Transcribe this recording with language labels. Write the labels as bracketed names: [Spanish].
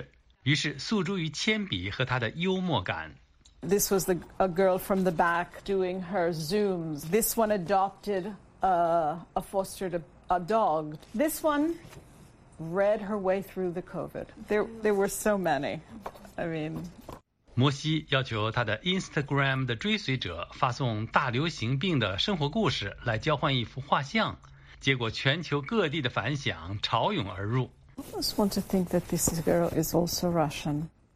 [Chinese] 丽贝卡·摩西是一名知名的时尚插图画家和作者。大流行病改变了她2020年所做的计划，就像全球各地数百万人遭遇到的一样，她几乎无所事事，于是诉诸于铅笔和她的幽默感。 [English] This was a girl from the back doing her Zooms. This one adopted a fostered a dog. This one read her way through the COVID. There were so many. I mean, [Chinese] 摩西要求他的 Instagram 的追随者发送大流行病的生活故事来交换一幅画像，结果全球各地的反响潮涌而入。 [English] I just want to think that this girl is also Russian.